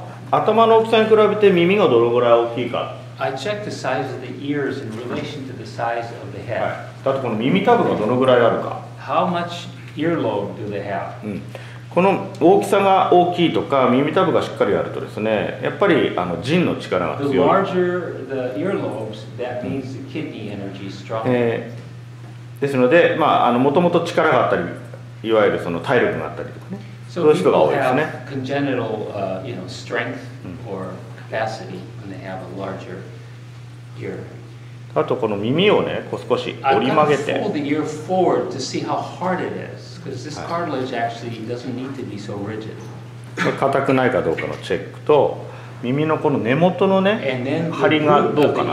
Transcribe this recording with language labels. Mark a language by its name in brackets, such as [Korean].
[Japanese] 頭の大きさに比べて耳がどれぐらい大きいか。 [English] I checked the size of the ears in relation to the size of the head。 [Japanese] だとこの耳たぶがどのぐらいあるか。 [English] How muchEarlobe do they have? [Japanese] うん、この大きさが大きいとか耳たぶがしっかりあるとですね、やっぱりあの腎の力が強い。 [English] The larger the earlobes, that means the kidney energy is strong. [Japanese] ですので、まあ、あの元々力があったり、いわゆるその体力があったりとかね、 [English] so、 [Japanese] そういう人が多いですね。 [English] People have congenital, you know, strength or capacity when they have a larger ear. [Japanese] あとこの耳をね、こう少し折り曲げて。硬くないかどうかのチェックと、耳のこの根元のね、張りがどうかな